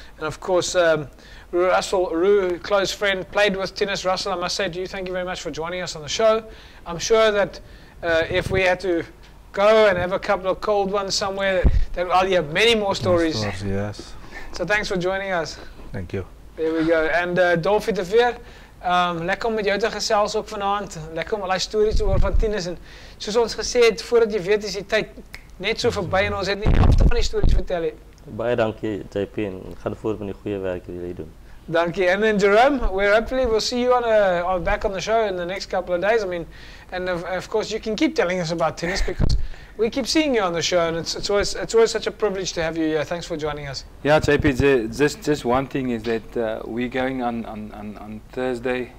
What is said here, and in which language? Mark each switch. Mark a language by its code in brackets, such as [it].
[en] And of course, Russel, Roux, close friend, played with tennis. Russel, I must say to you, thank you very much for joining us on the show. I'm sure that if we had to go and have a couple of cold ones somewhere, that I'll have many more stories. Of course, yes. So thanks for joining us. Thank you. There we go. [af] And Dolfie, Veer, lekker om met jou te gesels ook vanavond. Lekker om al die stories te hoor van tennis. En soos ons gesê het, voordat jy weet, is die tyd net so verby en ons het nie die helfte van die stories vertel. Baie dankie, JP, en gaan voort met die goeie werk wat jy doen. Dankie, [en] and then Jerome, we'll see you back on the show in the next couple of days. And of course you can keep telling us about tennis because we keep seeing you on the show, and it's always such a privilege to have you here. Thanks for joining us. Yeah, JP, just one thing is that we're going on Thursday.